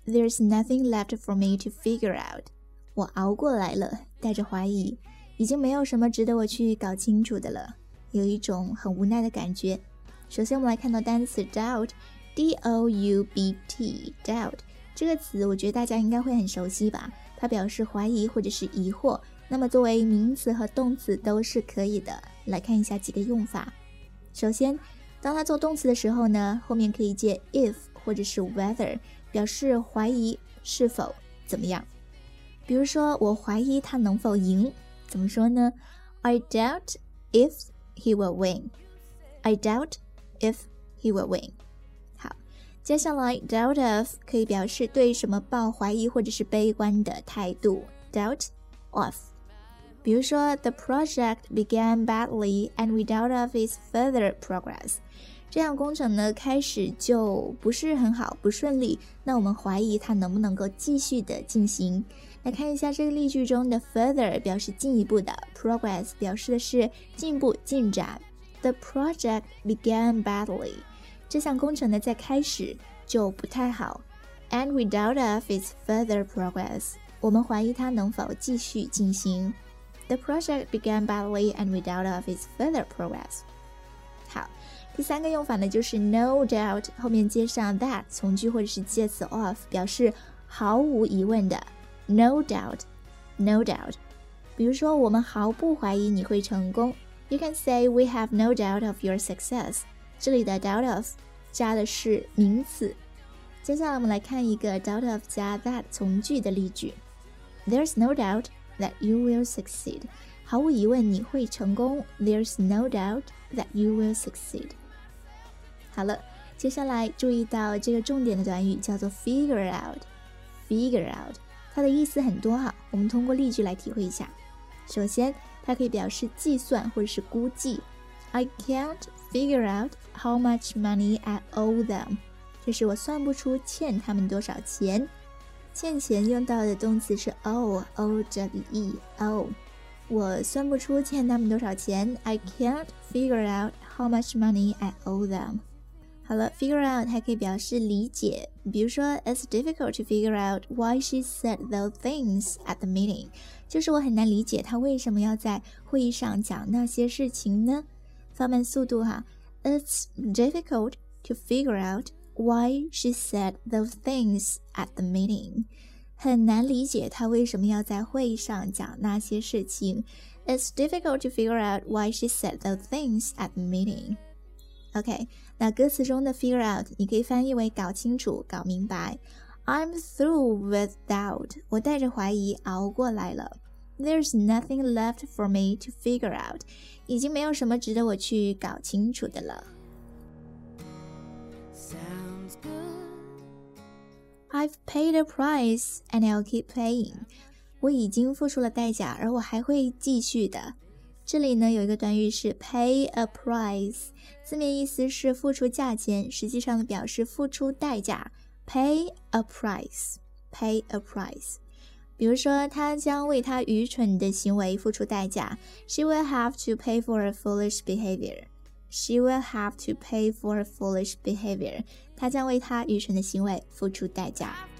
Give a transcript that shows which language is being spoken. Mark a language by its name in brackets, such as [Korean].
[English] There's nothing left for me to figure out. [Chinese] 我熬过来了，带着怀疑，已经没有什么值得我去搞清楚的了。有一种很无奈的感觉。首先，我们来看到单词 doubt, D-O-U-B-T, doubt 这个词，我觉得大家应该会很熟悉吧？它表示怀疑或者是疑惑。那么，作为名词和动词都是可以的。来看一下几个用法。首先，当它做动词的时候呢，后面可以接 if。或者是 whether 表示怀疑是否怎么样，比如说我怀疑他能否赢，怎么说呢？ [English] I doubt if he will win. I doubt if he will win. [Chinese] 好，接下来 doubt of 可以表示对什么抱怀疑或者是悲观的态度。 [English] doubt of， [Chinese] 比如说 [English] the project began badly and we doubt of its further progress。 [Chinese] 这样工程呢开始就不是很好不顺利，那我们怀疑它能不能够继续的进行。来看一下这个例句中的 further 表示进一步的， progress 表示的是进步进展。 [English] The project began badly， [Chinese] 这项工程呢在开始就不太好。 [English] And we doubt of its further progress， [Chinese] 我们怀疑它能否继续进行。 [English] The project began badly and we doubt of its further progress。 [Chinese] 好，第三个用法呢就是 no doubt 后面接上 that 从句或者是介词 of 表示毫无疑问的 no doubt， no doubt， 比如说我们毫不怀疑你会成功。 [English] You can say we have no doubt of your success， [Chinese] 这里的 [English] doubt of [Chinese] 加的是名词。接下来我们来看一个 doubt of 加 that 从句的例句。 [English] There's no doubt that you will succeed， [Chinese] 毫无疑问你会成功。 [English] There's no doubtThat you will succeed. [Chinese] 好了，接下来注意到这个重点的短语叫做 figure out. Figure out， 它的意思很多哈，我们通过例句来体会一下。首先，它可以表示计算或者是估计。 [English] I can't figure out how much money I owe them. [Chinese] 就是我算不出欠他们多少钱。欠钱用到的动词是 owe, O-W-E, owe。我算不出欠他们多少钱。 [English] I can't figure out how much money I owe them. [Chinese] 好了， figure out 还可以表示理解，比如说 [English] It's difficult to figure out why she said those things at the meeting， [Chinese] 就是我很难理解她为什么要在会议上讲那些事情呢。放慢速度哈， [English] It's difficult to figure out why she said those things at the meeting. [Chinese] 很难理解她为什么要在会上讲那些事情。 [English] It's difficult to figure out why she said those things at the meeting. [Chinese] OK, 那歌词中的 figure out 你可以翻译为搞清楚、搞明白。 [English] I'm through with doubt. [Chinese] 我带着怀疑熬过来了。 [English] There's nothing left for me to figure out. [Chinese] 已经没有什么值得我去搞清楚的了。 [English] Sounds good. I've paid a price and I'll keep paying. [Chinese] 我已经付出了代价，而我还会继续的。这里呢有一个短语是 pay a price， 字面意思是付出价钱，实际上表示付出代价。 [English] Pay a price. Pay a price. [Chinese] 比如说她将为她愚蠢的行为付出代价。 [English] She will have to pay for her foolish behavior. She will have to pay for her foolish behavior. [Chinese] 她将为她愚蠢的行为付出代价。